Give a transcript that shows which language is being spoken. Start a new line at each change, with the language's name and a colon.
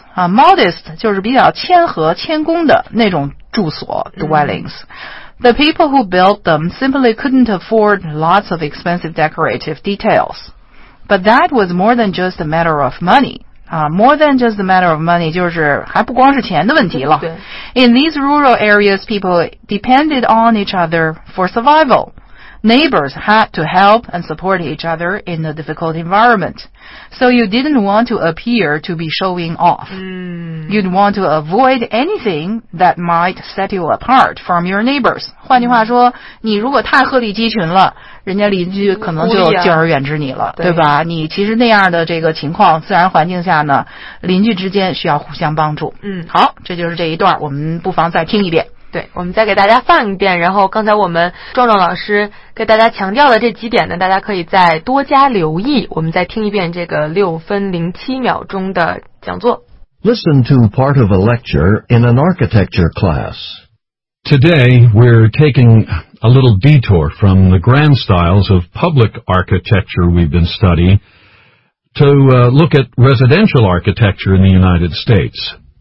Chinese: Modest 就是比较谦和谦恭的那种住所 dwellings.
English: The people who built them simply couldn't afford lots of expensive decorative details. But that was more than just a matter of money. More than just a matter of money,
Chinese: 就是还不光是钱的问题了。
English: In these rural areas, people depended on each other for survival. Neighbors had to help and support each other in a difficult environment. So you didn't want to appear to be showing off. You'd want to avoid anything that might set you apart from your neighbors.
Chinese: 换句话说，你如果太鹤立鸡群了，人家邻居可能就敬而远之你了，对吧？你其实那样的这个情况，自然环境下呢，邻居之间需要互相帮助。好，这就是这一段，我们不妨再听一遍。对，我们再给大家放一遍，然后刚才我们壮壮老师给大家强调的这几点呢，大家可以再多加留意。我们再听一遍这个6分07秒钟的讲座。
English: Listen to part of a lecture in an architecture class. Today we're taking a little detour from the grand styles of public architecture we've been studying to look at residential architecture in the United States.